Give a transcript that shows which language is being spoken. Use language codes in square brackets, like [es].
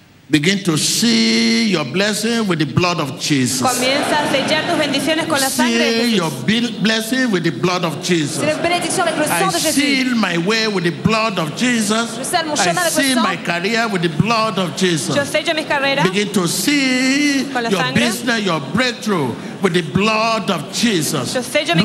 [en] Begin to see your blessing with the blood of Jesus. [es] Comienza a sellar tus bendiciones con la sangre de Jesús. [en] Seal your blessing with the blood of Jesus. I seal my way with the blood of Jesus. I seal my career with the blood of Jesus. [es] Yo sello mis carreras. [en] Begin to see your business, your breakthrough with the blood of Jesus. [es] Yo sello mi